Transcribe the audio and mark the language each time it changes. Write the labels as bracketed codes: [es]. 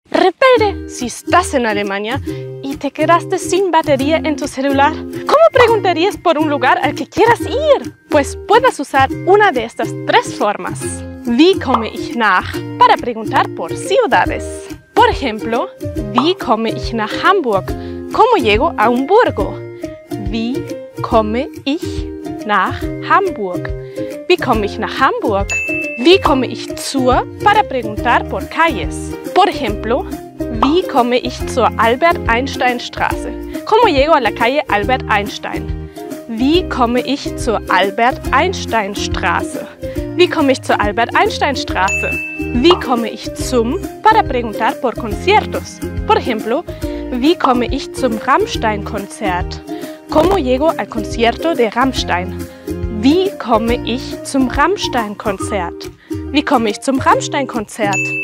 [es] repente, si estás en Alemania y te quedaste sin batería en tu celular, ¿cómo preguntarías por un lugar al que quieras ir? Pues puedes usar una de estas tres formas. [de] Wie komme ich nach? [es] Para preguntar por ciudades. Por ejemplo, [de] wie komme ich nach Hamburg? [es] ¿Cómo llego a Hamburgo? [de] Wie komme ich nach Hamburg? Wie komme ich nach Hamburg? Wie komme ich zur? [es] Para preguntar por calles. Por ejemplo, [de] wie komme ich zur Albert-Einstein-Straße? [es] ¿Cómo llego a la calle Albert-Einstein? [de] Wie komme ich zur Albert-Einstein-Straße? Wie komme ich zur Albert-Einstein-Straße? Wie komme ich zum? [es] Para preguntar por conciertos. Por ejemplo, [de] wie komme ich zum Rammstein-Konzert? [es] ¿Cómo llego al concierto de Rammstein? [de] Wie komme ich zum Rammstein-Konzert? Wie komme ich zum Rammstein-Konzert?